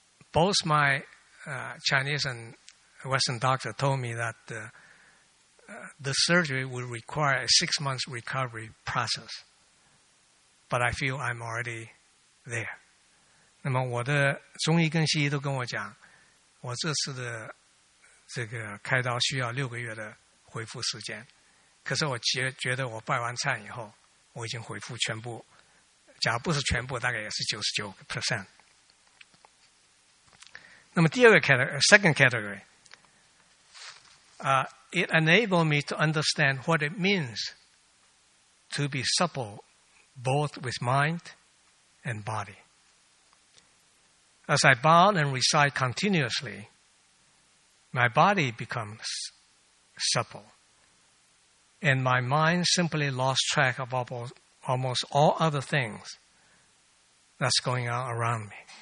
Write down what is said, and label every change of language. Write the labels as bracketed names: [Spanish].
[English] Both my Chinese and Western doctor told me that the surgery would require a 6-month recovery process, but I feel I'm already there. [Chinese] 那么我的中医跟西医都跟我讲，我这次的这个开刀需要6个月的恢复时间，可是我觉得我拜完忏以后我已经恢复全部，假如不是全部大概也是 99%。那么第二个 [English] second category、it enabled me to understand what it means to be supple both with mind and body. As I bow and recite continuouslyMy body becomes supple, and my mind simply lost track of almost all other things that's going on around me.